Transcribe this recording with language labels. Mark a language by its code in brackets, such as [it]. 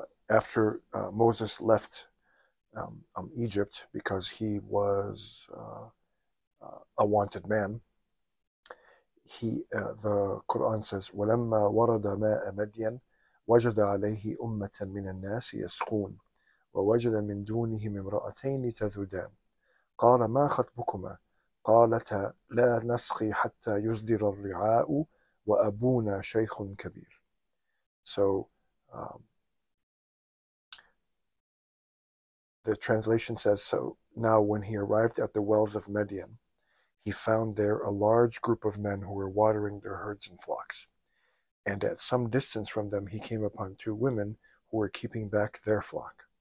[en] after Moses left Egypt, because he was a wanted man, he the Quran says, [ar] "Walamma warada ma'a Madyan wajada alayhi ummatan min an-nas yasqun." ووجد من دونهم امرأتين تذودان قال ما خطبكما قالتا لا نسقي حتى يصدر الرعاء وأبونا شيخ كبير. [en] So the translation says, so now when he arrived at the wells of Midian, he found there a large group of men who were watering their herds and flocks, and at some distance from them he came upon two women who were keeping back their flock.